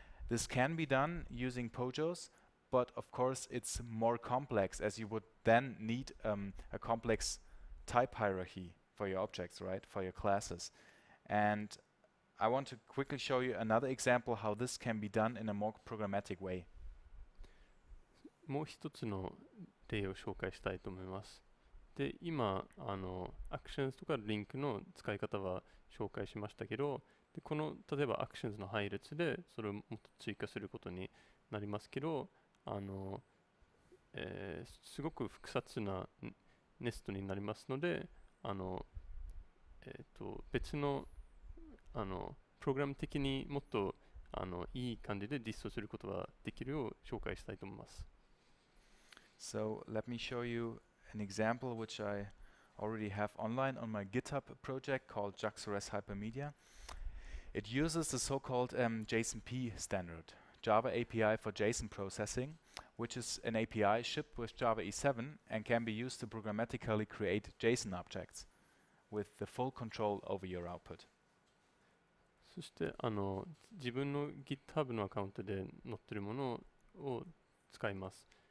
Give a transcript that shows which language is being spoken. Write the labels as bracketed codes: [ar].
[en] This can be done using POJOs, but of course it's more complex, as you would then need a complex type hierarchy for your objects, right, for your classes. And I want to quickly show you another example how this can be done in a more programmatic way. [ja] もう一つの例を紹介したいと思います。で、今あの actions とかリンクの使い方は紹介しましたけど、でこの例えば actions の配列でそれをもっと追加することになりますけど、あの、すごく複雑なネストになりますので、あの、別のあのプログラム的にもっとあのいい感じでディストすることができるよう紹介したいと思います。 [en] So let me show you an example which I already have online on my GitHub project called JAX-RS Hypermedia. It uses the so-called JSONP standard, Java API for JSON processing, which is an API shipped with Java E7 and can be used to programmatically create JSON objects with the full control over your output. [ja] そしてあの自分の GitHub のアカウントで載ってるものを使います。